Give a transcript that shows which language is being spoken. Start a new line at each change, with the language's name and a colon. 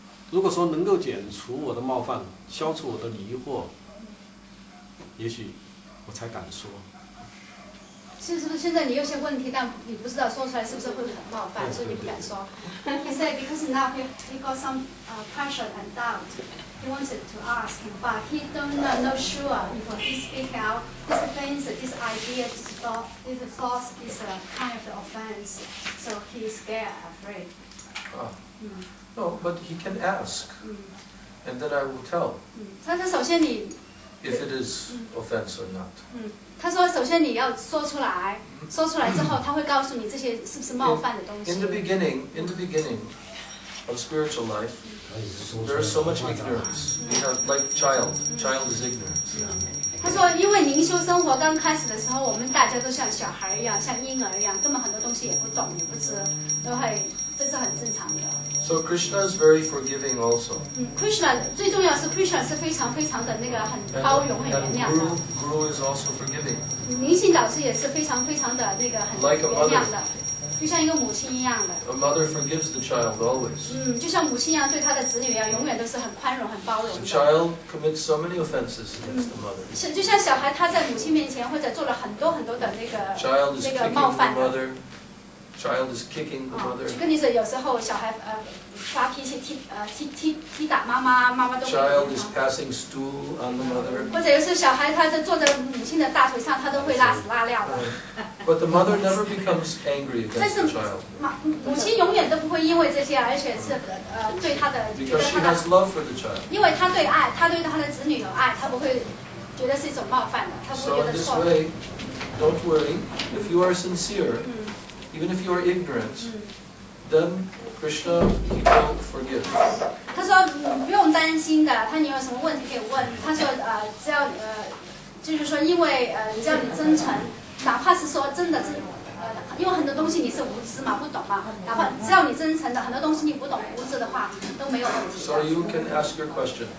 Chinese: 如果说能够减除我的冒犯，消除我的疑惑，也许我才敢说。是不是现在你有些问题，但你不知道说出来是不是会很冒犯，所以你不敢说。
English: He said because now he got some pressure and doubt. He wanted to ask, but he don't know sure if he speak out this things, this idea, this thoughts, this kind of offense. So he is scared, afraid. No, but he can ask, and then I will tell.
Chinese: 他说：“首先你
English: ，if it is offense or not。”
Chinese: 他说：“首先你要说出来，说出来之后，他会告诉你这些是不是冒犯的东西。”
English: In the beginning of spiritual life, there is so much ignorance. We have like child is ignorant.、 Yeah.
Chinese: 他说：“因为灵修生活刚开始的时候，我们大家都像小孩一样，像婴儿一样，根本很多东西也不懂，也不知，都会。”
English: So Krishna is very forgiving also.
Chinese: Krishna 最重要是 Krishna 是非常非常的那个很包容很原谅的。
English: Guru is also forgiving.
Chinese: 明星导师也是非常非常的那个很原谅的。
English: Like a mother.
Chinese: 就像一个母亲一样的。
English: A mother forgives the child always.
Chinese: 就像母亲一样对她的子女一样，永远都是很宽容很包容的。
English: The child commits so many offenses against the mother.
Chinese: 就像小孩他在母亲面前或者做了很多很多的那个冒犯
English: 的。Child is kicking the mother.
Chinese: 跟你说，有时候小孩发脾气踢打妈妈，妈妈都。
English: Child is passing stool on the mother.
Chinese: 或者有时候小孩他在坐在母亲的大腿上，他都会拉屎拉尿的。
English: But the mother never becomes angry against the child.
Chinese: 母亲永远都不会因为这些，而且是对他的。
English: Because she has love for the child.
Chinese: 因为他对他的子女有爱，他不会觉得是一种冒犯的，他不会觉得错。
English: So in this way, don't worry if you are sincere. Even if you are ignorant, then Krishna he will forgive.
Chinese: 他说不用担心的。他你有什么问题可以问。他说只要就是说因为只要你真诚，哪怕是说真的因为很多东西你是无知嘛，不懂嘛。哪怕只要你真诚的，很多东西你不懂无知的话都没有问题。
English: So you can ask your question.